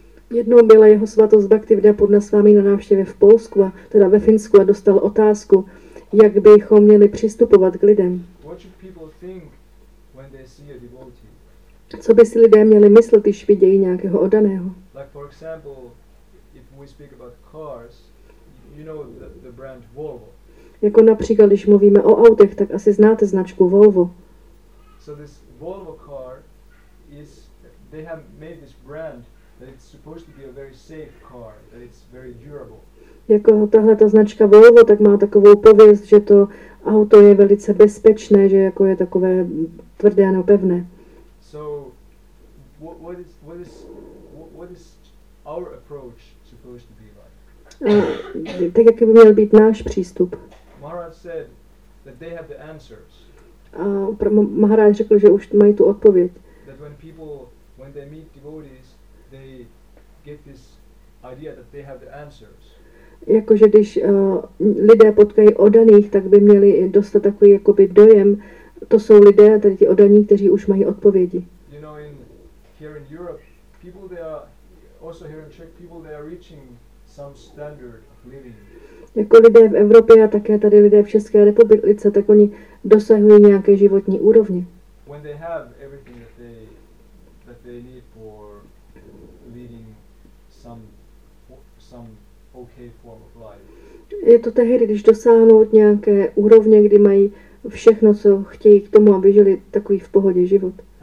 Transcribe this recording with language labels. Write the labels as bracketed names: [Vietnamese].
[Czech] Jednou byla jeho svatost Bhaktivedanta Purnaswami na návštěvě v Polsku, teda ve Finsku, a dostal otázku, jak bychom měli přistupovat k lidem. [English] What should people think when they see a devotee? [Czech] Co by si lidé měli myslet, když vidějí nějakého oddaného? [English] Like for example, if we speak about cars, you know the brand Volvo. [Czech] Jako například, když mluvíme o autech, tak asi znáte značku Volvo. [English] So this Volvo car is, they have made this brand that it's supposed to be a very safe car, that it's very durable. [Czech] Jako tahle ta značka Volvo, tak má takovou pověst, že to auto je velice bezpečné, že jako je takové tvrdé a pevné. [English] So what is our approach supposed to be like? [Czech] Tak jaký by měl být náš přístup? [English] Maharaj said that they have the answers. [Czech] Maharaj řekl, že už mají tu odpověď. [English] That when people, when they meet devotees, they get this idea that they have the answers. [Czech] Jakože když lidé potkají oddaných, tak by měli dostat takový jakoby dojem, to jsou lidé, tady ti oddaní, kteří už mají odpovědi. [English] You know, here in Europe, people they are also here in Czech, people they are reaching some standard of living. [Czech] Jako lidé v Evropě a také tady lidé v České republice, tak oni dosahují nějaké životní úrovně. [English] When they have everything that they need for leading some okay form of life. [Czech] Je to tehdy, když dosáhnou nějaké úrovně, kdy mají všechno, co chtějí k tomu, aby žili takový v pohodě život.